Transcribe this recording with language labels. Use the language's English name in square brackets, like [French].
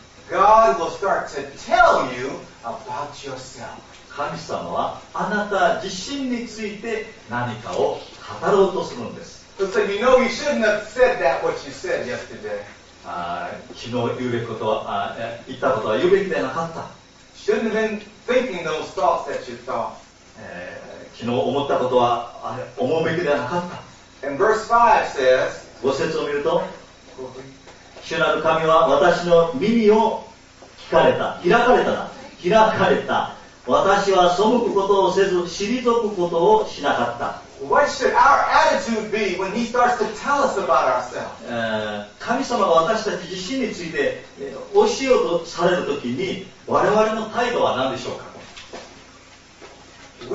[English] God will start to tell you about yourself. [Japanese] 神様はあなた自身について何かを語ろうとするんです。 [English] So you know you shouldn't have said that what you said yesterday. [Japanese] 昨日言うべきことは言ったことは言うべきではなかった。 [English] Shouldn't have been thinking those thoughts that you thought. [Japanese] 昨日思ったことは思うべきではなかった。 [English] And verse 5 says, [Japanese] 5節を見ると、主なる神は私の耳を聞かれた、開かれた。私は背くことをせず、退くことをしなかった。 [English] What should our attitude be when he starts to tell us about ourselves? [Japanese] 神様が私たち自身について教えようとされるときに、我々の態度は何でしょうか？